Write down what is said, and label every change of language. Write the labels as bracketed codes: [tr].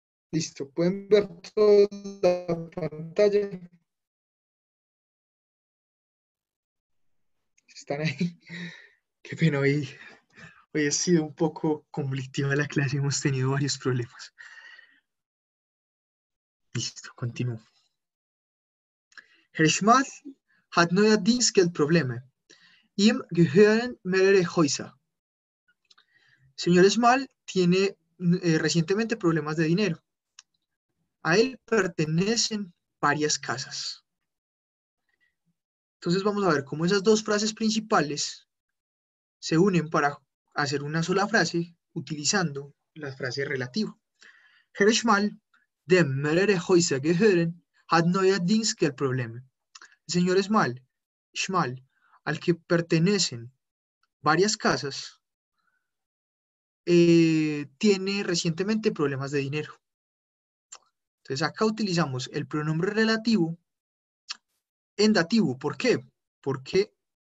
[es] Listo, ¿pueden ver toda la pantalla? ¿Están ahí? Qué pena, hoy ha sido un poco conflictiva la clase, hemos tenido varios problemas. Listo, continúo. [de] Herr Schmidt hat neuerdings kein Problem. Ihm gehören mehrere Häuser. [es] Señor Small tiene recientemente problemas de dinero. A él pertenecen varias casas. Entonces vamos a ver cómo esas dos frases principales se unen para hacer una sola frase utilizando la frase relativa. [de] Herr Small, dem mehrere Häuser gehören, hat neuerdings kein Problem. [es] Señor Small, al que pertenecen varias casas, tiene recientemente problemas de dinero. Entonces acá utilizamos el pronombre relativo en dativo. ¿Por qué? Porque